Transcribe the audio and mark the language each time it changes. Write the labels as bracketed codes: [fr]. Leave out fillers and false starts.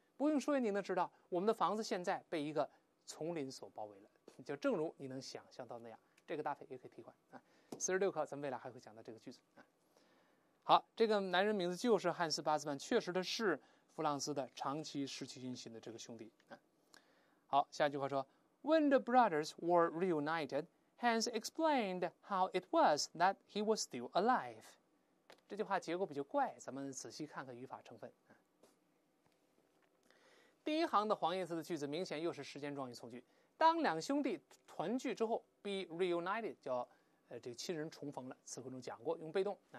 [zh] 不用说，您能知道，我们的房子现在被一个丛林所包围了。就正如你能想象到那样，这个搭配也可以替换啊。46课，咱们未来还会讲到这个句子啊。好，这个男人名字就是汉斯·巴斯曼，确实的是弗朗兹的长期失去音信的这个兄弟啊。好，下一句话说 ， [en] When the brothers were reunited。 Hans explained how it was that he was still alive. [zh] 这句话结构比较怪，咱们仔细看看语法成分。第一行的黄颜色的句子明显又是时间状语从句。当两兄弟团聚之后 ，be reunited 叫这个亲人重逢了。词汇中讲过，用被动。